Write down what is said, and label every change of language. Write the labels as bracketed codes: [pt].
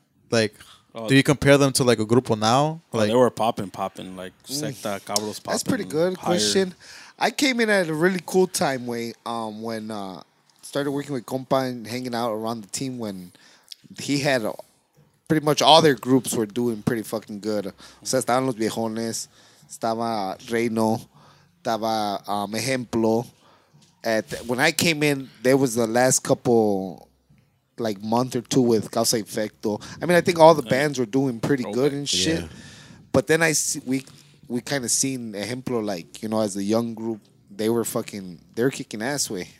[en] Like, do you compare them to like a Grupo Now? Like, they were popping, like Secta, Cabros popping. That's pretty good question. I came in at a really cool time way when started working with Compa and hanging out around the team when he had pretty much all their groups were doing pretty fucking good. [es] O sea, estaban los viejones, estaba Reino, estaba Ejemplo. [en] When I came in, there was the last couple, like, month or two with Causa Efecto. I mean, I think all the bands were doing pretty good and shit. Yeah. But then we kind of seen Ejemplo, like, you know, as a young group, they were kicking ass way.